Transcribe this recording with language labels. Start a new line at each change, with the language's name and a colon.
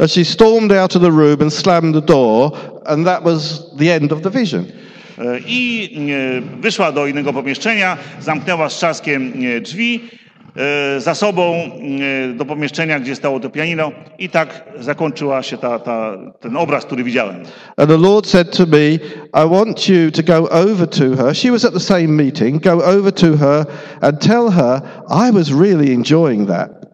English: And she stormed out of the room and slammed the door, and that was the end of the vision.
Polish: I wyszła do innego pomieszczenia, zamknęła z trzaskiem drzwi za sobą do pomieszczenia, gdzie stało to pianino, i tak zakończyła się ten obraz, który widziałem.
English: And the Lord said to me, "I want you to go over to her. She was at the same meeting. Go over to her and tell her I was really enjoying that."